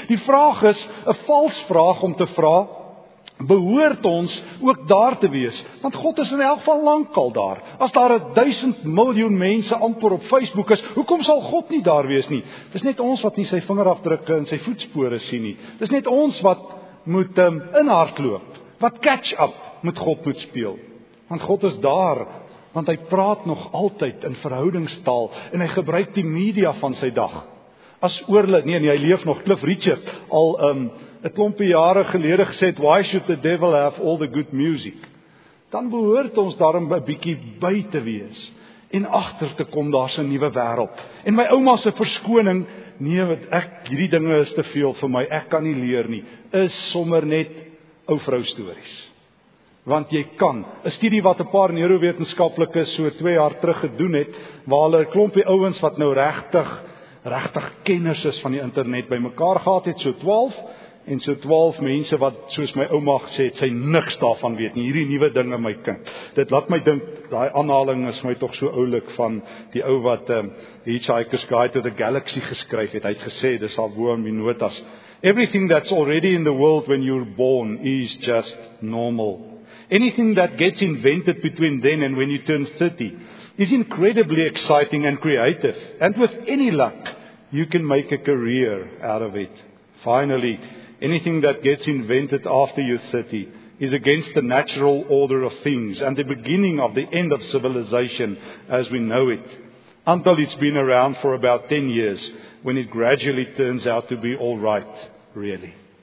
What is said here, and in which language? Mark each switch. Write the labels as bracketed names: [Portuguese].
[Afrikaans] Die vraag is, 'n vals vraag om te vra, behoort ons ook daar te wees? Want God is in elk geval lankal daar. As daar 1,000 miljoen mense amper op Facebook is, hoekom sal God nie daar wees nie? Dis net ons wat nie sy vingerafdrukke en sy voetspore sien nie. Dis net ons wat moet in hardloop, wat catch up met God moet speel. Want God is daar, want hy praat nog altyd in verhoudingstaal en hy gebruik die media van sy dag. As oorlid, nee, hy leef nog, Cliff Richard, al 'n klompie jare gelede gesê het, [English] why should the devil have all the good music? [Afrikaans] Dan behoort ons daarom 'n bietjie by te wees en agter te kom daar 'n nuwe wêreld. En my ouma se verskoning, nee, wat ek hierdie dinge is te veel vir my, ek kan nie leer nie, is sommer net ou vrou stories. Want jy kan. 'N studie wat 'n paar neurowetenskaplikes so 2 jaar terug gedoen het, waar hulle 'n klompie ouens wat nou regtig kenners is van die internet bymekaar gehad het, so 12 en so 12 mense wat soos my ouma gesê het, sy niks daarvan weet nie, hierdie nuwe dinge my kind. Dit laat my dink, daai aanhaling is my tog so oulik van die ou wat Hitchhiker's Guide to the Galaxy geskryf het. Hy het gesê dis al bo in die notas. [English] Everything that's already in the world when you're born is just normal. Anything that gets invented between then and when you turn 30 is incredibly exciting and creative. And with any luck, you can make a career out of it. Finally, anything that gets invented after you 30 is against the natural order of things and the beginning of the end of civilization as we know it, until it's been around for about 10 years, when it gradually turns out to be all right, really.